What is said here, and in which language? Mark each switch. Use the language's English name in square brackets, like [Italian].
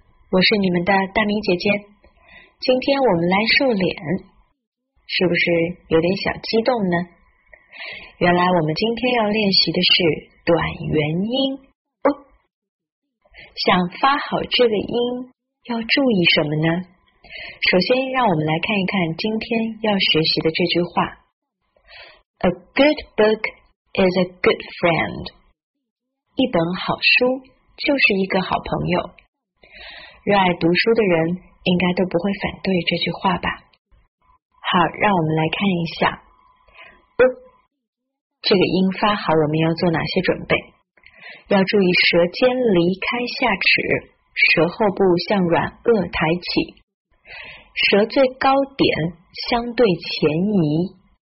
[Chinese] 我是你们的大明姐姐，今天我们来瘦脸，是不是有点小激动呢？原来我们今天要练习的是短元音哦。想发好这个音，要注意什么呢？首先，让我们来看一看今天要学习的这句话。 [English] A good book is a good friend. [Chinese] 一本好书就是一个好朋友。热爱读书的人应该都不会反对这句话吧。好，让我们来看一下。这个音发好，我们要做哪些准备？要注意舌尖离开下齿，舌后部向软腭抬起，舌最高点相对前移。